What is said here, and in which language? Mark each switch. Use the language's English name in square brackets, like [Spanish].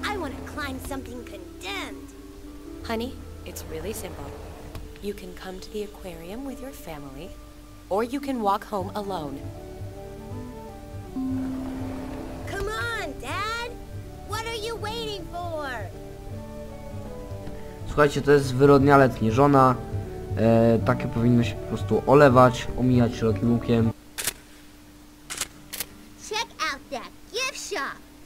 [English] I want to climb something condemned. Honey, it's really simple. You can come to the aquarium with your family, or you can walk home alone. Come on, Dad! What are you waiting for? [Polish] Słuchajcie, to jest wyrodnialec, nie żona. Takie powinno się po prostu olewać, omijać szerokim łukiem. [English] Check out that gift shop!